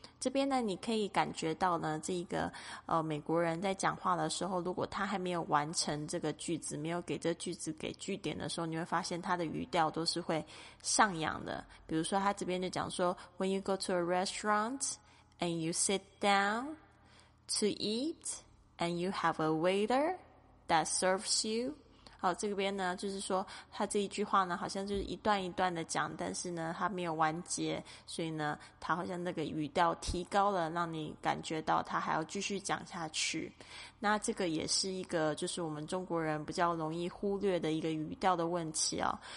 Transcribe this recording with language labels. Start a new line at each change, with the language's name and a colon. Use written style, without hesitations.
Chinese: 这边呢你可以感觉到呢这个美国人在讲话的时候，如果他还没有完成这个句子，没有给这句子给句点的时候，你会发现他的语调都是会上扬的。比如说他这边就讲说
English: When you go to a restaurantAnd you sit down to eat, and you have a waiter that serves you.
Chinese: 好，这边呢，就是说他这一句话呢，好像就是一段一段的讲，但是呢，他没有完结，所以呢，他好像那个语调提高了，让你感觉到他还要继续讲下去。那这个也是一个就是我们中国人比较容易忽略的一个语调的问题哦。